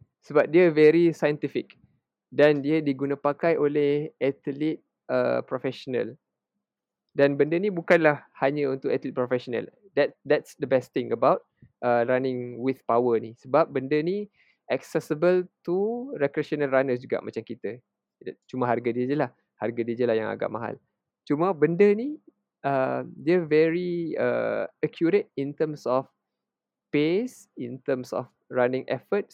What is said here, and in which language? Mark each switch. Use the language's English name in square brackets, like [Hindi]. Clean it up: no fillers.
[Malay] Sebab dia [English] very scientific. [Malay] Dan dia digunapakai oleh atlet profesional. Dan benda ni bukanlah hanya untuk atlet profesional. [English] That's the best thing about running with power ni. [Malay] Sebab benda ni [English] accessible to recreational runners [Malay] juga macam kita. Cuma harga dia je lah. Harga dia je lah yang agak mahal. Cuma benda ni dia [English] very accurate in terms of pace, in terms of running effort.